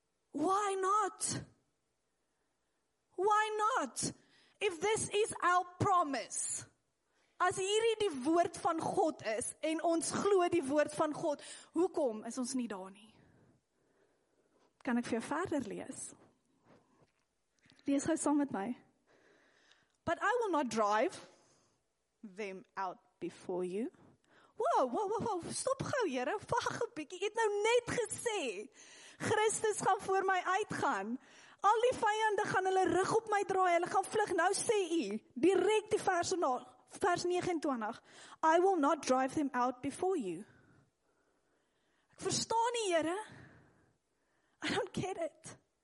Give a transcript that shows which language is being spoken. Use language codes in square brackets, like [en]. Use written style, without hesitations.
[en] Why not? Why not? If this is our promise. [af] As hierdie die woord van God is, en ons glo die woord van God, hoekom is ons nie daar nie? Kan ek vir jou verder lees? Lees gou saam met my. [en] But I will not drive them out before you. [af] Wow, stop gou, Here, wag 'n bietjie. Jy het nou net gesê, Christus gaan voor my uitgaan. Al die vyande gaan hulle rug op my draai, hulle gaan vlug. Nou sê u, direk die vers na, vers 29, [en] I will not drive them out before you. [af] Ek verstaan nie, Here. [en] I don't get it.